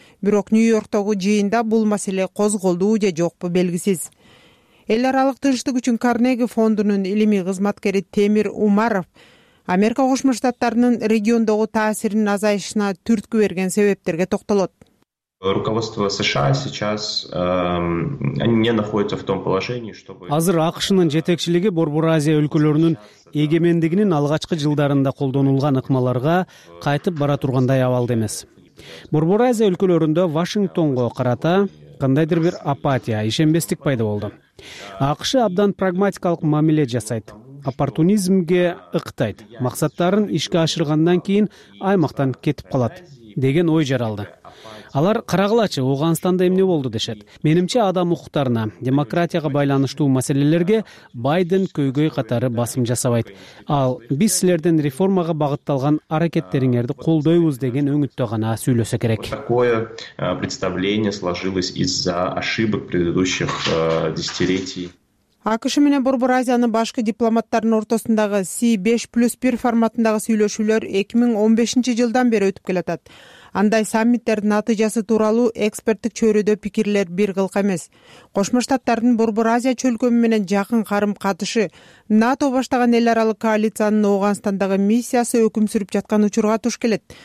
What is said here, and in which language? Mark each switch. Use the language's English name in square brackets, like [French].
[Kyrgyz] Бирок Нью-Йорктогу жыйында бул маселе козголду же жокпу белгисиз. Эл аралык тынчтык үчүн Карнеги фондунун илимий кызматкери Темир Умаров Америка Кошмо Штаттарынын региондогу таасиринин азайышына түрткү берген себептерге токтолот. [Russian] Руководство США сейчас не находится в том положении, чтобы [Kyrgyz] Азыр АКШнын жетекчилиги Борбор Азия өлкөлөрүнүн эгемендигинин алгачкы жылдарында колдонулган ыкмаларга кайтып бара тургандай абалда эмес. Борбор Азия өлкөлөрүндө Вашингтонго карата кандайдыр бир апатия, ишенбестик пайда болду. АКШ абдан прагматикалык мамиле жасайт. Оппортунизмге ыктайт. Максаттарын ишке ашыргандан кийин аймактан кетип калат деген ой жаралды. Алар карагылачы, Ооганстанда эмне болду дешет. Менимче адам укуктарына, демократияга байланыштуу маселелерге Байден көйгөй катары басым жасабайт. Ал биз силердин реформага багытталган аракеттериңерди колдойбуз деген өңүттө гана сүйлөсө керек. [Russian] Такое представление сложилось из-за ошибок предыдущих десятилетий. [Kyrgyz] АКШ менен Борбор Азиянын башкы дипломаттарынын ортосундагы C5+1 форматындагы сүйлөшүүлөр 2015 жылдан бери өтүп келатат. Андай саммиттердин натыйжасы тууралуу эксперттик чөйрөдө пикирлер бир кылка эмес. Кошмо Штаттардын Борбор Азия чөлкөмү менен жакын карым катышы, НАТО баштаган эл аралык коалициянын Оогандагы миссиясы өкүм сүрүп жаткан учурга туш келет.